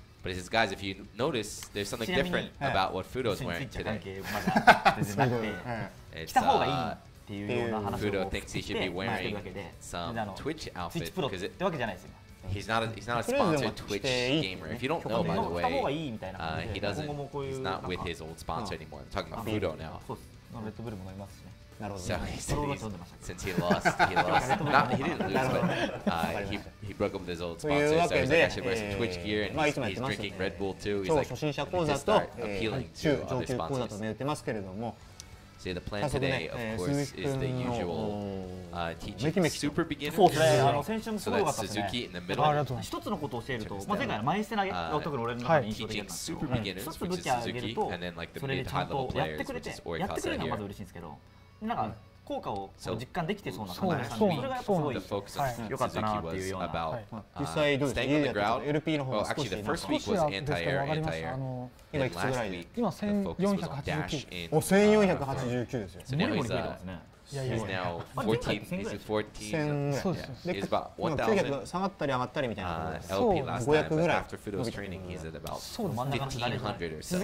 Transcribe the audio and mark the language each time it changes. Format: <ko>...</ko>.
<en>But he says, guys, if you notice, there's something different about what Fudo's wearing today.</en> <ja>来た方がいいっていうような話を</ja> <en>Fudo thinks he should be wearing some Twitch outfit because it, he's not a sponsored Twitch gamer. If you don't know, by the way, he doesn't. He's not with his old sponsor anymore. I'm talking about Fudo now.</en> <ja>Red Bull もいますしね。</ja> <en>So he said since he lost, not, he didn't lose, but he broke up with his old sponsor, so he's like, I should wear some Twitch gear, and he's drinking Red Bull too. He's like, I need to start appealing to other sponsors. So the plan today, of course, is the usual teaching super beginners. So that's Suzuki in the middle. One thing I want to say is, last time, teaching super beginners, which is Suzuki, and then like the mid to high level players, which is Orikasa here.</en> <ja>なんか効果を実感できてそうな感じがする。それがすごい良かったなっていうような。はい、実際どうですか？家で LP の方が少し少しですけど上がりました。今いくつぐらいで？今1489。 1489ですよ。モリモリ増えてますね。</ja> <en>He's now 14. He's about 1,000. LP last night, but after Fudo's training, he's at about 1,500 or so.</en>